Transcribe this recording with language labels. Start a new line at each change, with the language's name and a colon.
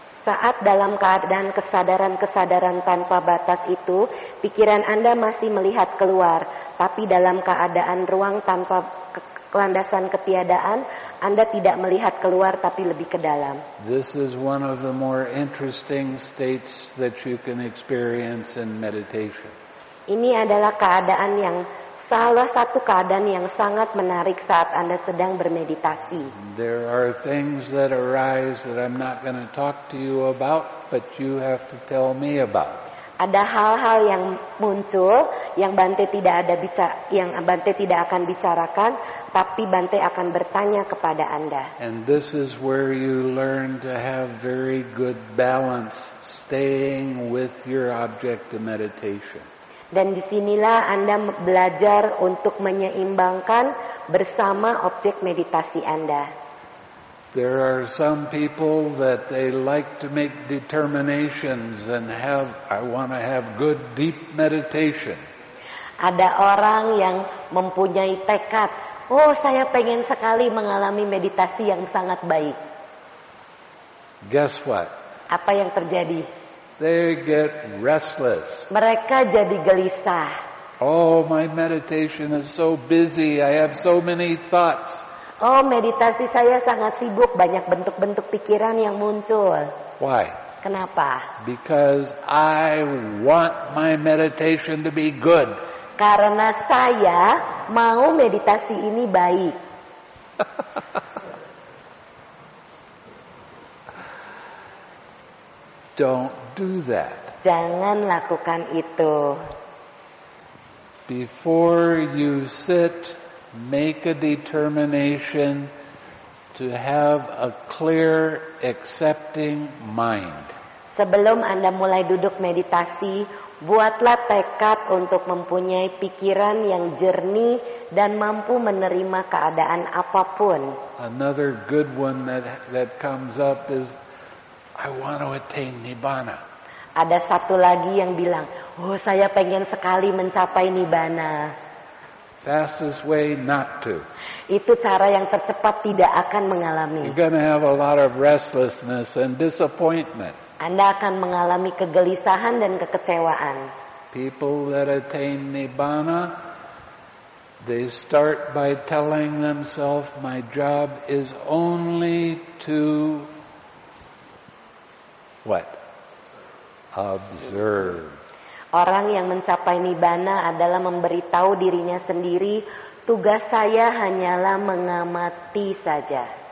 Indonesian: Saat dalam keadaan kesadaran-kesadaran tanpa batas itu, pikiran Anda masih melihat keluar, tapi dalam keadaan ruang tanpa landasan ketiadaan, Anda tidak melihat keluar tapi lebih ke dalam.
English: This is one of the more interesting states that you can experience in meditation.
Indonesian: Ini adalah keadaan yang salah satu keadaan yang sangat menarik saat Anda sedang bermeditasi.
English: There are things that arise that I'm not going to talk to you about, but you have to tell me about.
Indonesian: Ada hal-hal yang muncul yang Bante tidak ada bicara, yang Bante tidak akan bicarakan, tapi Bante akan bertanya kepada Anda.
English: And this is where you learn to have very good balance staying with your object of meditation.
Indonesian: Dan disinilah Anda belajar untuk menyeimbangkan bersama objek meditasi Anda.
English: There are some people that they like to make determinations and have, I want to have good deep meditation.
Indonesian: Ada orang yang mempunyai tekad, oh saya pengen sekali mengalami meditasi yang sangat baik.
English: Guess what?
Indonesian: Apa yang terjadi?
English: They get restless.
Indonesian: Mereka jadi gelisah.
English: Oh, my meditation is so busy. I have so many thoughts.
Indonesian: Oh, meditasi saya sangat sibuk, banyak bentuk-bentuk pikiran yang muncul.
English: Why?
Indonesian: Kenapa?
English: Because I want my meditation to be good.
Indonesian: Karena saya mau meditasi ini baik.
English: Don't do that.
Indonesian: Jangan lakukan itu.
English: Before you sit, make a determination to have a clear, accepting mind.
Indonesian: Sebelum Anda mulai duduk meditasi, buatlah tekad untuk mempunyai pikiran yang jernih dan mampu menerima keadaan apapun.
English: Another good one that comes up is, I want to attain Nibbana.
Indonesian: Ada satu lagi yang bilang, oh saya pengen sekali mencapai Nibbana.
English: Fastest way not to.
Indonesian: Itu cara yang tercepat tidak akan mengalami.
English: You're going to have a lot of restlessness and disappointment.
Indonesian: Anda akan mengalami kegelisahan dan kekecewaan.
English: People that attain Nibbana, they start by telling themselves, my job is only to what? Observe.
Indonesian: Orang yang mencapai Nibbana adalah memberitahu dirinya sendiri, tugas saya hanyalah mengamati saja.